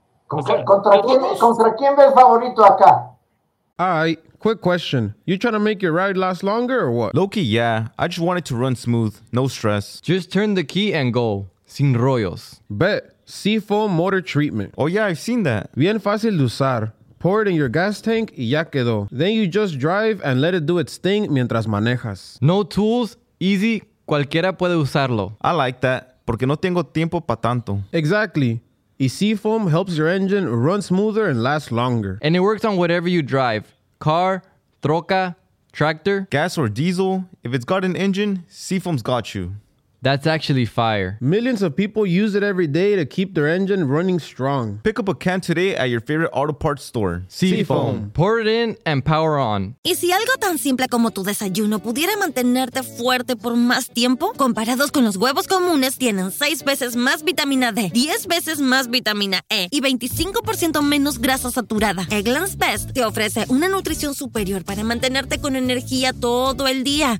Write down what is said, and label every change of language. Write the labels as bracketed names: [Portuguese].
[Spanish] ¿Contra quién ves favorito acá? [English] Alright, quick question. You trying to make your ride last longer or what? Low-key, yeah. I just want it to run smooth. No stress. Just turn the key and go. [Spanish] Sin rollos. [English] Bet. Seafoam motor treatment. Oh yeah, I've seen that. [Spanish] Bien fácil de usar. [English] Pour it in your gas tank [Spanish] y ya quedó. [English] Then you just drive and let it do its thing [Spanish] mientras manejas. [English] No tools. Easy. [Spanish] Cualquiera puede usarlo. [English] I like that. [Spanish] Porque no tengo tiempo pa' tanto. [English] Exactly. Y Seafoam helps your engine run smoother and last longer. And it works on whatever you drive. Car, troca, tractor. Gas or diesel. If it's got an engine, Seafoam's got you. That's actually fire. Millions of people use it every day to keep their engine running strong. Pick up a can today at your favorite auto parts store. Seafoam. Pour it in and power on. [Spanish] ¿Y si algo tan simple como tu desayuno pudiera mantenerte fuerte por más tiempo? Comparados con los huevos comunes, tienen 6 veces más vitamina D, 10 veces más vitamina E y 25% menos grasa saturada. Eggland's Best te ofrece una nutrición superior para mantenerte con energía todo el día.